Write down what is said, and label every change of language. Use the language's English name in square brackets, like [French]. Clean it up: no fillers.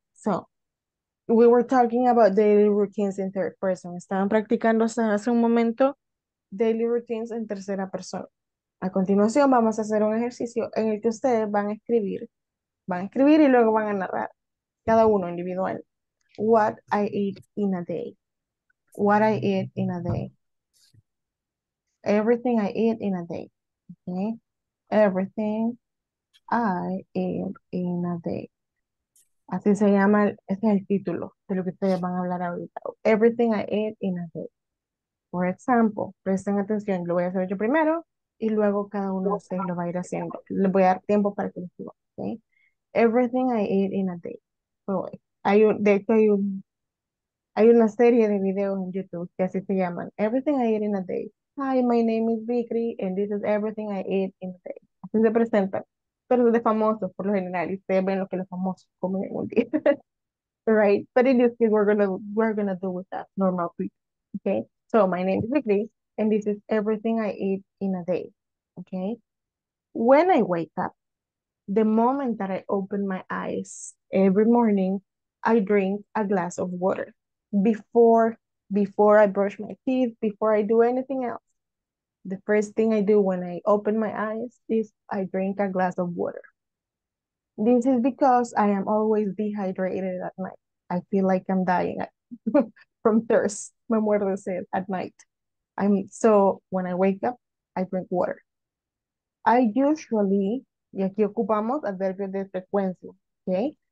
[English] So, we were talking about daily routines in third person. [Spanish] Estaban practicando hace un momento [English] daily routines [Spanish] en tercera persona. A continuación, vamos a hacer un ejercicio en el que ustedes van a escribir. Van a escribir y luego van a narrar. Cada uno individual. [English] What I eat in a day. What I eat in a day. Everything I eat in a day. Okay. Everything I eat in a day. [Spanish] Así se llama, ese es el título de lo que ustedes van a hablar ahorita. [English] Everything I eat in a day. For example, [Spanish] presten atención, lo voy a hacer yo primero y luego cada uno de ustedes lo va a ir haciendo. Les voy a dar tiempo para que lo escriban. [English] Okay. Everything I eat in a day. [Spanish] Hay una serie de videos en YouTube que así se llaman Everything I Eat in a Day. [English] Hi, my name is Vicky and this is everything I eat in a day. [Spanish] Así se presentan, pero es de famosos por lo general y ustedes ven lo que los famosos comen en un día. [English] Right, but in this case we're gonna do with that normal food. Okay, so my name is Vicky and this is everything I eat in a day. Okay, when I wake up, the moment that I open my eyes every morning, I drink a glass of water before I brush my teeth, before I do anything else. The first thing I do when I open my eyes is I drink a glass of water. This is because I am always dehydrated at night. I feel like I'm dying from thirst. [Spanish] Me muero de sed [English] at night. So when I wake up, I drink water. I usually, [Spanish] y aquí ocupamos adverbios de frecuencia, okay?